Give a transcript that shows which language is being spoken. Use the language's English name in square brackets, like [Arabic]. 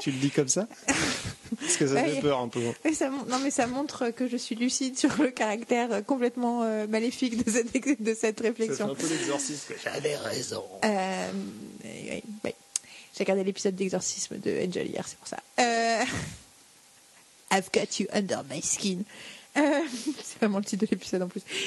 [French] Tu le dis comme ça ? Parce que ça fait peur un peu. Mais ça montre que je suis lucide sur le caractère complètement maléfique de cette réflexion. Ça fait un peu l'exorcisme, que j'avais raison. Oui. J'ai regardé l'épisode d'exorcisme de Angel hier, c'est pour ça. [English] I've got you under my skin. [French] C'est vraiment le titre de l'épisode en plus.